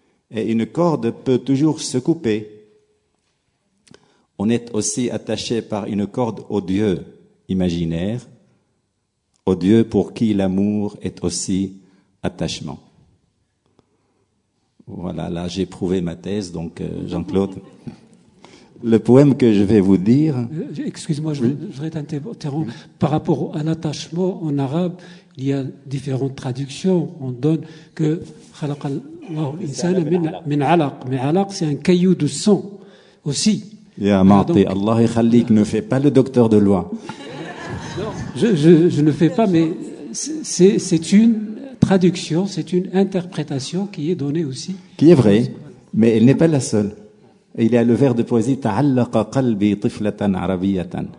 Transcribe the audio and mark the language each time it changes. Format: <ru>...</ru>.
<fr>Et une corde peut toujours se couper. On est aussi attaché par une corde au Dieu imaginaire, au Dieu pour qui l'amour est aussi attachement. Voilà, là j'ai prouvé ma thèse, donc Jean-Claude. Le poème que je vais vous dire... Excuse-moi, je voudrais t'interrompre. Par rapport à l'attachement en arabe, il y a différentes traductions. On donne que</fr> <ar>خلق الله الانسان من علق.</ar> <fr>Mais علق, c'est un caillou de sang aussi. Ya Marty, Allah et Khalik, ne fais pas le docteur de loi. Je ne fais pas, mais c'est une traduction, c'est une interprétation qui est donnée aussi. Qui est vraie, mais elle n'est pas la seule. Et il y a le vers de poésie</fr> <ar>تعلق قلبي طفلة عربية.</ar>